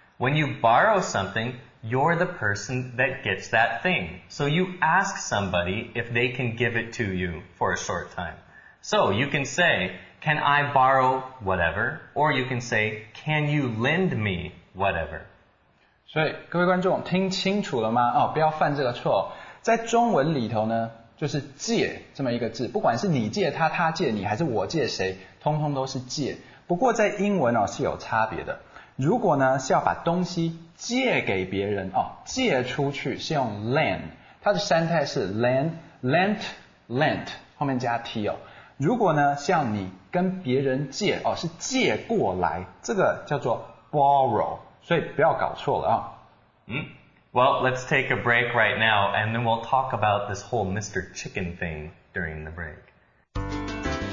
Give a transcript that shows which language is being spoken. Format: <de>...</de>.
<en>When you borrow something, you're the person that gets that thing. So you ask somebody if they can give it to you for a short time. So you can say, can I borrow whatever? Or you can say, can you lend me whatever?</en> <zh>所以各位观众听清楚了吗？哦，不要犯这个错。在中文里头呢，就是借这么一个字，不管是你借他，他借你，还是我借谁，通通都是借。不过在英文哦是有差别的。如果呢是要把东西借给别人哦，借出去是用 lend， 它的三态是 lend 后面加 t 哦。如果呢像你跟别人借哦，是借过来，这个叫做 borrow， 所以不要搞错了啊。</zh> <en>Well, let's take a break right now, and then we'll talk about this whole Mr. Chicken thing during the break.</en>